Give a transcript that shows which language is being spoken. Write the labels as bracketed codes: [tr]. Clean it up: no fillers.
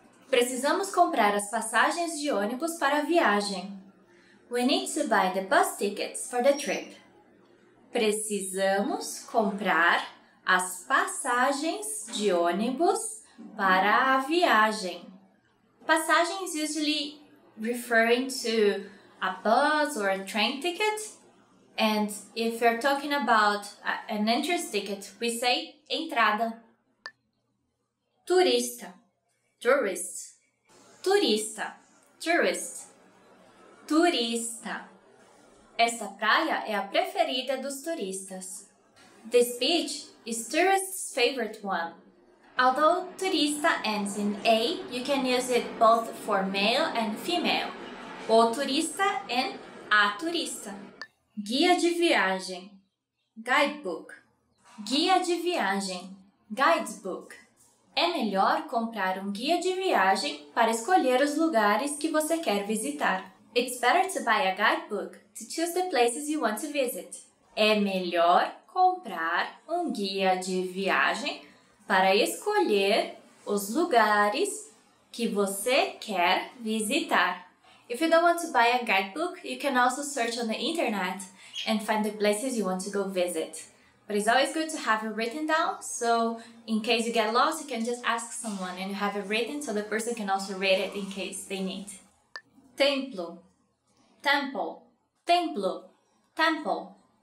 [pt] Precisamos comprar as passagens de ônibus para a viagem. [en] We need to buy the bus tickets for the trip. [pt] Precisamos comprar as passagens de ônibus para a viagem. [en] Passagens usually referring to a bus or a train ticket. And if you're talking about an entrance ticket, we say entrada. Turista. Tourist. Turista. Tourist. [pt] Turista. Esta praia é a preferida dos turistas. [en] This beach is tourist's favorite one. Although turista ends in A, you can use it both for male and female. O turista and a turista. Guia de viagem. Guidebook. [pt] Guia de viagem. Guidebook. É melhor comprar um guia de viagem para escolher os lugares que você quer visitar. [en] It's better to buy a guidebook to choose the places you want to visit. [pt] É melhor comprar um guia de viagem para escolher os lugares que você quer visitar. [en] If you don't want to buy a guidebook, you can also search on the internet and find the places you want to go visit. But it's always good to have it written down, so in case you get lost, you can just ask someone and you have it written so the person can also read it in case they need. Templo. Temple. Templo. Temple.